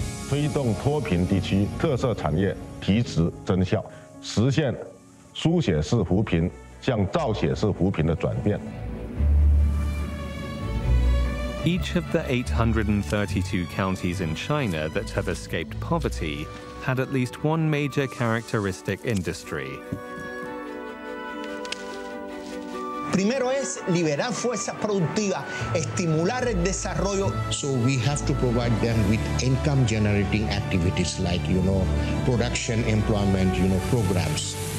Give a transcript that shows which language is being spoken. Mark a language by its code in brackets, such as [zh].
[zh] 推动脱贫地区特色产业提质增效，实现书写式扶贫向造血式扶贫的转变。 [en] Each of the 832 counties in China that have escaped poverty had at least one major characteristic industry. [es] Primero es liberar fuerzas productivas, estimular el desarrollo. [en] So we have to provide them with income generating activities like, you know, production, employment, you know, programs.